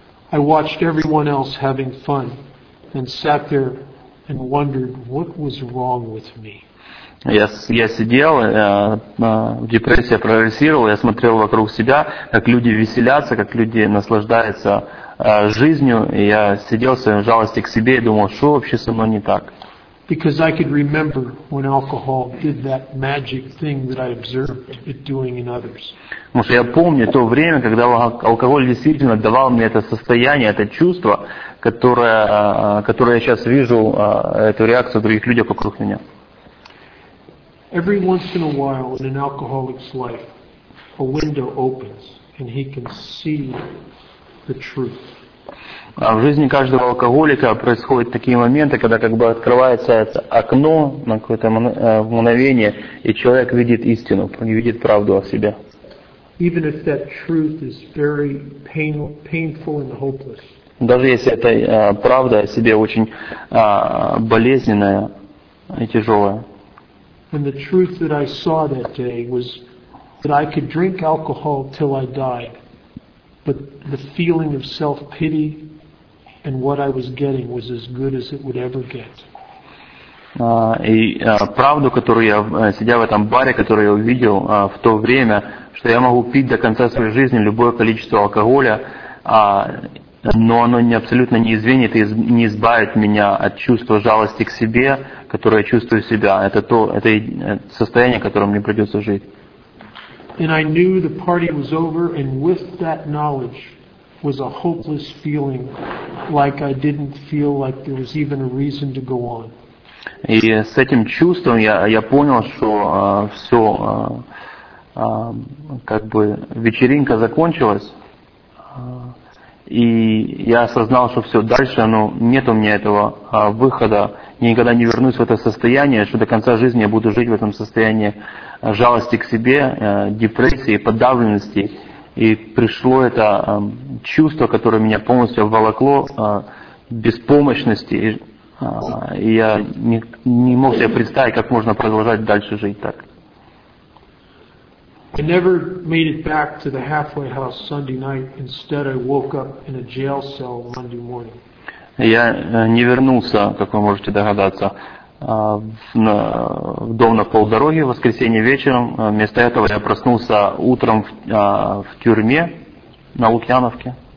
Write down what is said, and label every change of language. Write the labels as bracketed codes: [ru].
[en] I watched everyone else having fun. And sat there and wondered what was wrong with me. [ru] Я сидел в депрессии, прогрессировал. Я смотрел вокруг себя, как люди веселятся, как люди наслаждаются жизнью. И я сидел в своей жалости к себе и думал, что вообще со мной не так. [en] Because I could remember when alcohol did that magic thing that I observed it doing in others. [ru] Потому что я помню то время, когда алкоголь действительно давал мне это состояние, это чувство, которое я сейчас вижу, эту реакцию других людей вокруг меня. [en] Every once in a while in an alcoholic's life, a window opens and he can see the truth. [ru] В жизни каждого алкоголика происходят такие моменты, когда как бы открывается это окно на какое-то мгновение, и человек видит истину, видит правду о себе. [en] Even if that truth is very painful and hopeless. [ru] Даже если эта правда о себе очень болезненная и тяжелая. [en] And the truth that I saw that day was that I could drink alcohol till I died. But the feeling of self-pity and what I was getting was as good as it would ever get. [ru] Правду, которую я сидя в этом баре, которую я увидел в то время, что я могу пить до конца своей жизни любое количество алкоголя, но оно абсолютно не извинит и не избавит меня от чувства жалости к себе, которое я чувствую себя. Это состояние, которым мне придется жить. [en] And I knew the party was over, and with that knowledge was a hopeless feeling, like I didn't feel like there was even a reason to go on. [ru] И с этим чувством я понял, что все, как бы вечеринка закончилась, и я осознал, что все дальше, ну, нет у меня этого выхода, никогда не вернусь в это состояние, что до конца жизни я буду жить в этом состоянии жалости к себе, депрессии, подавленности. И пришло это чувство, которое меня полностью обволокло, беспомощности. И я не мог себе представить, как можно продолжать дальше жить так. [en] I never made it back to the halfway house Sunday night. Instead, I woke up in a jail cell Monday morning. [ru] Я не вернулся, как вы можете догадаться, в дом на полдороге в воскресенье вечером. Вместо этого я проснулся утром в тюрьме на Лукьяновке.